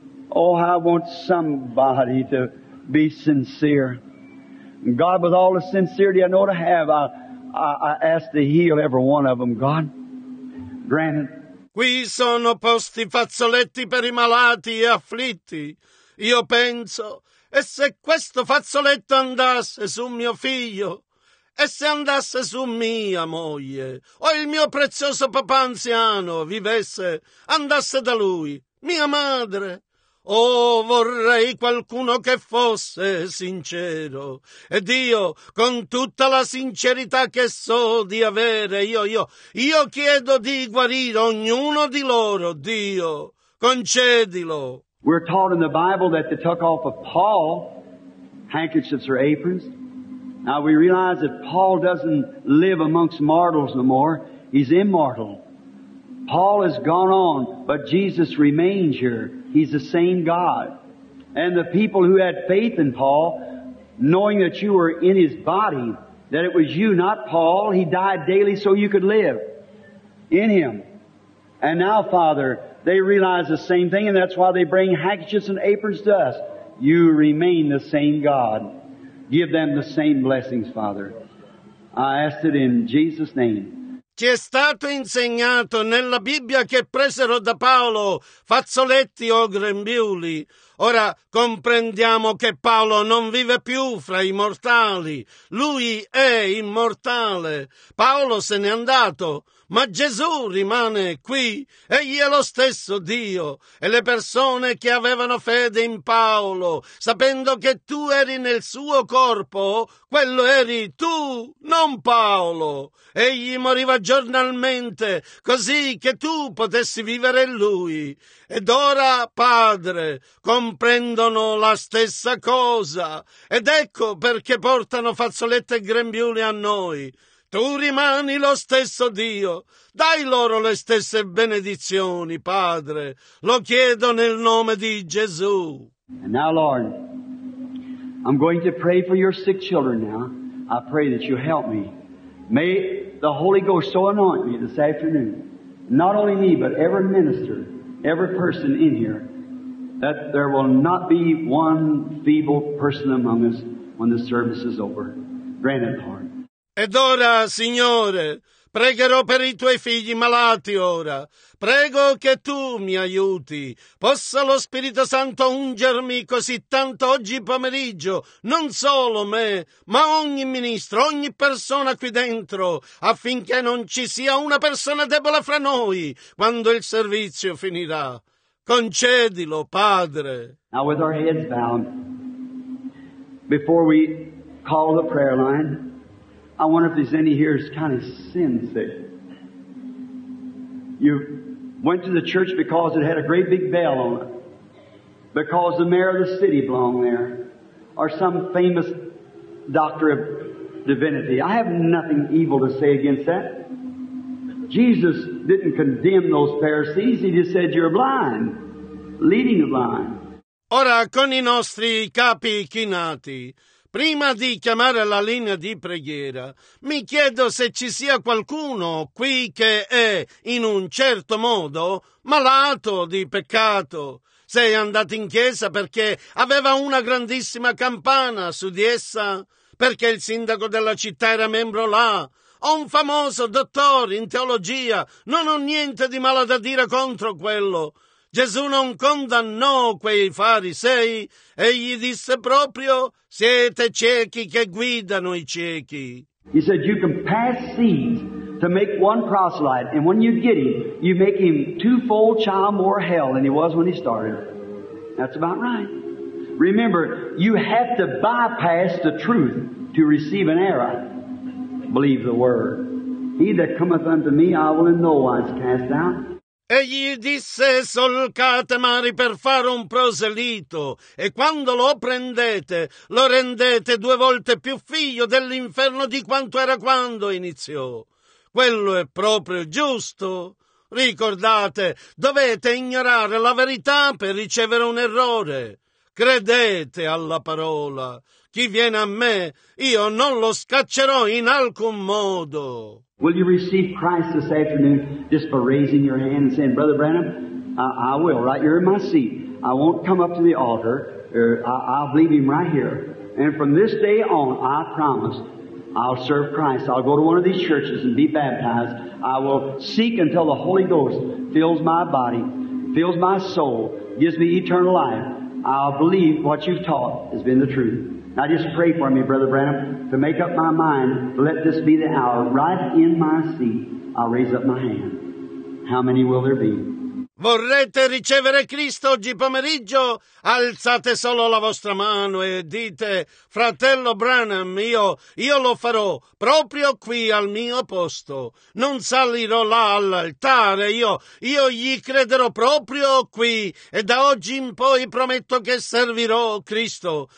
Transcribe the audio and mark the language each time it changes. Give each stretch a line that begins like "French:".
English: Oh, I want somebody to be sincere. God, with all the sincerity I know to have, I ask to heal every one of them, God. Grant it.
Italian: Qui sono posti fazzoletti per i malati e afflitti. Io penso, e se questo fazzoletto andasse su mio figlio, e se andasse su mia moglie, o il mio prezioso papà anziano vivesse, andasse da lui, mia madre, Oh, vorrei qualcuno che fosse sincero. Ed io, con tutta la sincerità che so di avere, io chiedo di guarire ognuno di loro, Dio, concedilo.
English: We're taught in the Bible that they took off of Paul handkerchiefs or aprons. Now we realize that Paul doesn't live amongst mortals no more. He's immortal. Paul has gone on, but Jesus remains here. He's the same God. And the people who had faith in Paul, knowing that you were in his body, that it was you, not Paul, he died daily so you could live in him. And now, Father, they realize the same thing, and that's why they bring handkerchiefs and aprons to us. You remain the same God. Give them the same blessings, Father. I ask it in Jesus' name.
Italian: Ci è stato insegnato nella Bibbia che presero da Paolo fazzoletti o grembiuli. Ora comprendiamo che Paolo non vive più fra i mortali. Lui è immortale. Paolo se n'è andato, ma Gesù rimane qui. Egli è lo stesso Dio. E le persone che avevano fede in Paolo, sapendo che tu eri nel suo corpo, quello eri tu, non Paolo. Egli moriva giornalmente, così che tu potessi vivere in lui. Ed ora, Padre, comprendono la stessa cosa. Ed ecco perché portano fazzolette e grembiuli a noi. Tu rimani lo stesso Dio. Dai loro le stesse benedizioni, Padre. Lo chiedo nel nome di Gesù.
English: And now, Lord, I'm going to pray for your sick children now. I pray that you help me. May the Holy Ghost so anoint me this afternoon. Not only me, but every minister, every person in here, that there will not be one feeble person among us when the service is over. Grant it, Lord.
Italian: Ed ora, Signore, pregherò per i tuoi figli malati ora. Prego che tu mi aiuti. Possa lo Spirito Santo ungermi così tanto oggi pomeriggio, non solo me, ma ogni ministro, ogni persona qui dentro, affinché non ci sia una persona debole fra noi quando il servizio finirà. Concedilo, Padre.
English: Now with our heads bowed, before we call the prayer line, I wonder if there's any here who's kind of sin sick. You went to the church because it had a great big bell on it, because the mayor of the city belonged there, or some famous doctor of divinity. I have nothing evil to say against that. Jesus didn't condemn those Pharisees. He just said, you're blind, leading the blind.
Italian: Ora, con i nostri capi chinati, prima di chiamare la linea di preghiera, mi chiedo se ci sia qualcuno qui che è, in un certo modo, malato di peccato. Sei andato in chiesa perché aveva una grandissima campana su di essa? Perché il sindaco della città era membro là? O un famoso dottore in teologia? Non ho niente di male da dire contro quello. Gesù non condannò quei farisei e gli disse proprio, siete ciechi che guidano i ciechi.
English: He said, you can pass seeds to make one proselyte, and when you get him, you make him twofold child more hell than he was when he started. That's about right. Remember, you have to bypass the truth to receive an error. Believe the word. He that cometh unto me, I will in no wise cast out.
Italian: E gli disse, solcate mari per fare un proselito, e quando lo prendete, lo rendete due volte più figlio dell'inferno di quanto era quando iniziò. Quello è proprio giusto. Ricordate, dovete ignorare la verità per ricevere un errore. Credete alla parola. Chi viene a me, io non lo scaccerò in alcun modo.
English: Will you receive Christ this afternoon just by raising your hand and saying, Brother Branham, I will, right here in my seat. I won't come up to the altar. I'll leave him right here. And from this day on, I promise, I'll serve Christ. I'll go to one of these churches and be baptized. I will seek until the Holy Ghost fills my body, fills my soul, gives me eternal life. I'll believe what you've taught has been the truth. Now just pray for me, Brother Branham, to make up my mind, let this be the hour. Right in my seat, I'll raise up my hand. How many will there be?
Italian: Vorrete ricevere Cristo oggi pomeriggio? Alzate solo la vostra mano e dite: fratello Branham, io lo farò proprio qui al mio posto. Non salirò là all'altare, io gli crederò proprio qui e da oggi in poi prometto che servirò Cristo.